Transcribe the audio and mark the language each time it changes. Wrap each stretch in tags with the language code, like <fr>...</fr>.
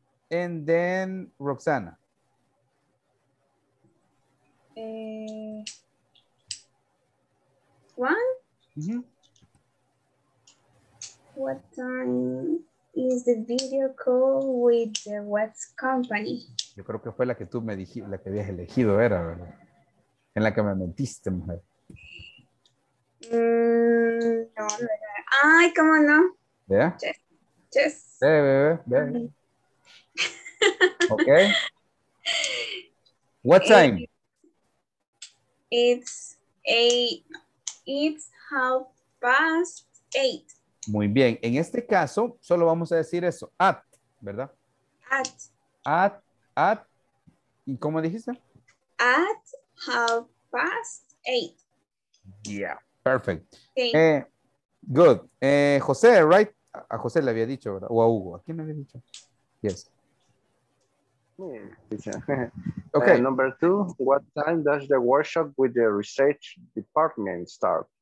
<en>And then Roxana. Juan? Mm-hmm. What time is the video call with the Watts company?</en> <es>Yo creo que fue la que tú me dijiste, la que habías elegido, era, ¿verdad? En la que me mentiste, mujer. No, no, no. Ay, ¿cómo no? ¿Ya?</es> <en>Yeah. Yes.</en> <es>Ve, ve, ve, ve.</es> <en>Mm-hmm. Okay. What time? It's 8:30.</en> <es>Muy bien. En este caso, solo vamos a decir eso.</es> <en>At, ¿verdad? At.</en> <es>At. ¿Y cómo dijiste?</es> <en>At 8:30. Yeah, perfect. Okay. Good. José, right?</en> <es>A José le había dicho, ¿verdad? O a Hugo. ¿A quién le había dicho?</es> <en>Yes. Yeah. Okay. Number two, what time does the workshop with the research department start?</en>